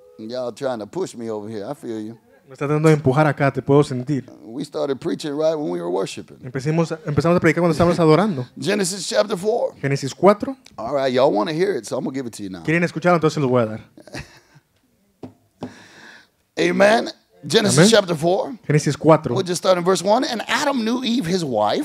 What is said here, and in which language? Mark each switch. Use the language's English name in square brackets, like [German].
[English] Y'all trying to push me over here. I feel you. [Spanish] Me está tratando de empujar acá, te puedo sentir. [English] We started preaching right when we were worshiping. [Spanish] Empezamos a predicar cuando estábamos adorando. [English] Genesis chapter 4. [Spanish] Génesis 4. [English] All right, y'all want to hear it, so I'm going to give it to you now. [Spanish] ¿Quieren escucharlo? Entonces lo voy a dar. [English] Amen. Genesis Amen. Chapter 4. [Spanish] Genesis 4. [English] We'll just start in verse 1. And Adam knew Eve, his wife.